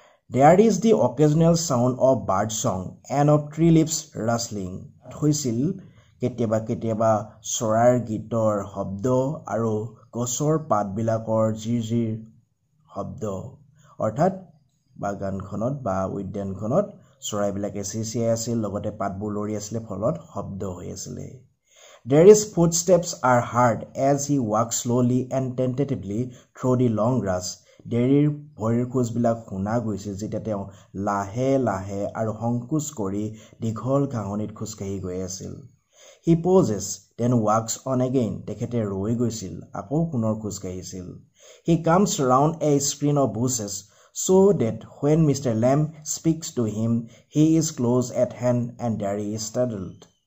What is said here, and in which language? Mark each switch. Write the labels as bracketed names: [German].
[English] there is the occasional sound of bird song and of tree leaves rustling, [Assamese] হৈছিল কেতিয়াবা কেতিয়াবা চৰাইৰ গীতৰ শব্দ আৰু গছৰ পাতবিলাকৰ জিৰ জিৰ শব্দ, অৰ্থাৎ বাগানখনত বা উদ্যানখনত চৰাইবিলাকে চিচিয়াই আছিল, লগতে পাতবোৰ লৰি আছিলে, ফলত শব্দ হৈ আছিলে। [English] There is footsteps are heard as he walks slowly and tentatively through the long grass. [Assamese] দেৰিৰ ভৰিৰ খোজবিলাক শুনা গৈছে যেতিয়া তেওঁ লাহে লাহে আৰু সংকোচ কৰি দীঘল ঘাঁহনিত খোজকাঢ়ি গৈ আছিল। [English] he pauses then walks on again, [Assamese] তেখেতে ৰৈ গৈছিল আকৌ পুনৰ খোজকাঢ়িছিল। [English] He comes round a screen of bushes so' that when mister Lamb speaks to him he is close at hand and there is startled.